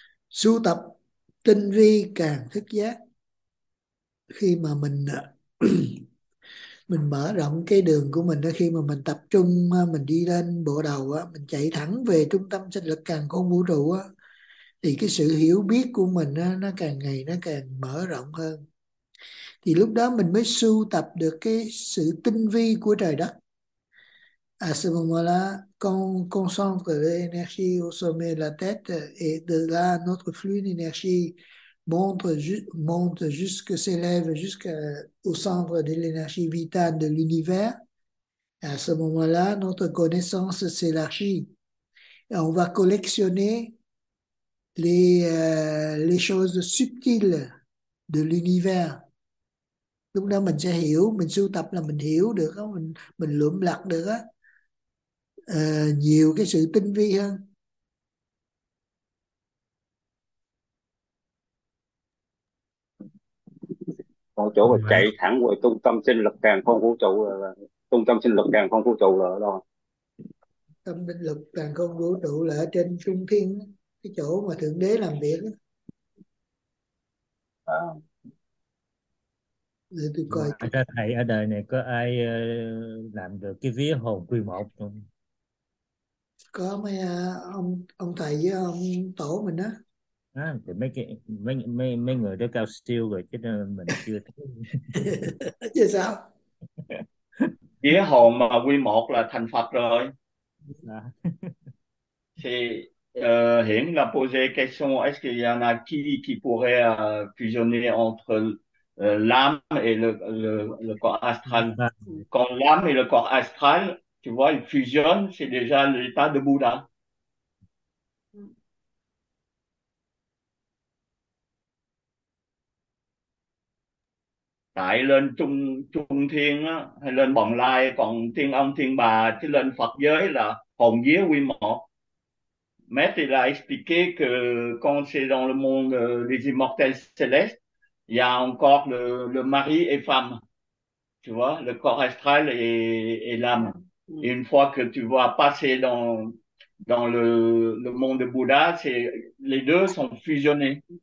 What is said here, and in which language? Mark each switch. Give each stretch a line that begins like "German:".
Vietnamese: Sưu tập tinh vi càng thức giác. Khi mà mình mở rộng cái đường của mình đó, khi mà mình tập trung mình đi lên bộ đầu á, mình chạy thẳng về trung tâm sinh lực càn khôn vũ trụ á, thì cái sự hiểu biết của mình á, nó càng ngày nó càng mở rộng hơn. Thì lúc đó mình mới sưu tập được cái sự tinh vi của trời đất.
French: Asimola con concentre l'énergie au sommet de la tête et de là notre flux d'énergie monte jusque s'élève jusqu'au centre de l'énergie vitale de l'univers. À ce moment-là, notre connaissance s'élargit. On va collectionner les choses subtiles de l'univers.
Vietnamese: Lúc đó mình sẽ hiểu, mình sưu tập là mình hiểu được, mình lượm lặt được nhiều cái sự tinh vi hơn. ở chỗ là Mà chạy thẳng về trung tâm sinh lực càn khôn vũ trụ, là trung tâm sinh lực càn khôn vũ trụ là ở đâu? tâm linh lực càn khôn vũ trụ là ở trên trung thiên, cái chỗ mà thượng đế làm việc. Để tôi Nhưng mà coi ra thầy ở đời này có ai làm được cái vía hồn quy một không? có mấy ông thầy với ông tổ mình á. À, thì mấy cái mấy người đó cao siêu rồi chứ mình chưa Chứ sao vía hồn mà quy một là thành Phật rồi, là thì hiện là
French: poser question est-ce qu'il y en a qui pourrait fusionner entre l'âme et le corps astral. Quand l'âme et le corps astral, tu vois, ils fusionnent, c'est déjà l'état de Bouddha.
Vietnamese: Tại lên trung trung thiên á, hay lên bồng lai, còn thiên ông thiên bà chứ lên Phật giới là hồn vía quy một.
French: Maître il a expliqué que quand c'est dans le monde des immortels célestes, il y a encore le mari et femme, tu vois, le corps astral et l'âme. Une fois que tu vois passer dans le monde de Bouddha, c'est les deux sont fusionnés.